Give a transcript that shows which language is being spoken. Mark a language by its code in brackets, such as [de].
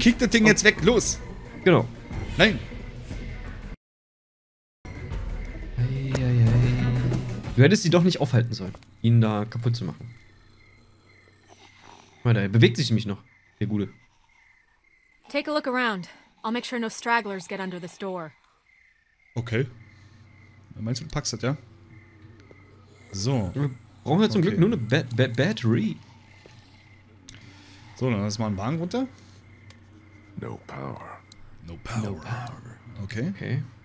[de] Kick das Ding jetzt weg, los! Genau. Nein! Eieiei. Du hättest sie doch nicht aufhalten sollen, ihn da kaputt zu machen. Warte, er bewegt sich nämlich noch, der Gute. [en] Take a look around. I'll make sure no stragglers get under this door. [de] Okay. Meinst du, du packst das, ja? So. Wir brauchen ja zum Glück nur eine Battery. So, dann lass mal einen Wagen runter. [en] No power. No power. No power. Okay. Okay.